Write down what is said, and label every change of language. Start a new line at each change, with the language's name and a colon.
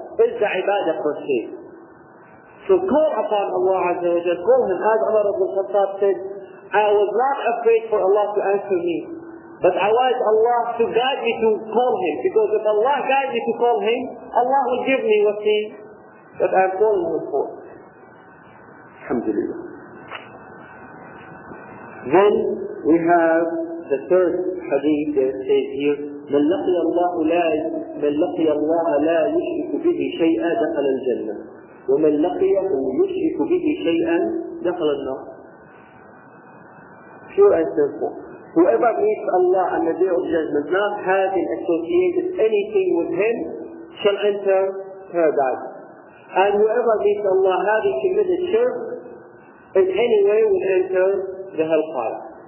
English: Is the ibadah per se. So call upon Allah Azza wa Jalla, call Him. As Umar ibn Khattab said, I was not afraid for Allah to answer me. But I want Allah to guide me to call Him. Because if Allah guides me to call Him, Allah will give me what He that I am calling Him for. Alhamdulillah. Then we have the third hadith that says here,
Arabic: مَنْ لَقِيَ اللَّهُ لَا مَنْ لَقِيَ اللَّهَ لَا يُشْرِكُ بِهِ شَيْئًا دَخَلَ الْجَنَّةِ وَمَنْ لَقِيَهُ يُشْرِكُ بِهِ شَيْئًا دَخَلَ النَّارِ.
English: Pure and simple. Whoever meets Allah on the day of judgment, not having associated anything with Him, shall enter paradise. And whoever meets Allah having committed shirk, in any way will enter the hellfire.